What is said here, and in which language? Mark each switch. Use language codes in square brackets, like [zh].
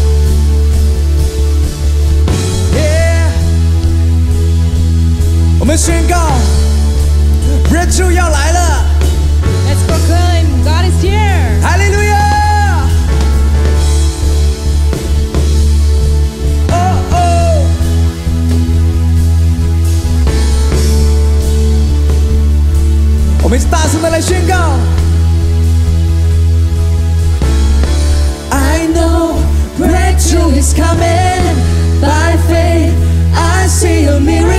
[zh] Yeah, yeah. 我们宣告主要来了 [en] Let's proclaim God is here. Hallelujah. [zh] Oh, oh. 我们一起大声的来宣告 [en] I know breakthrough is coming. By faith I see a miracle.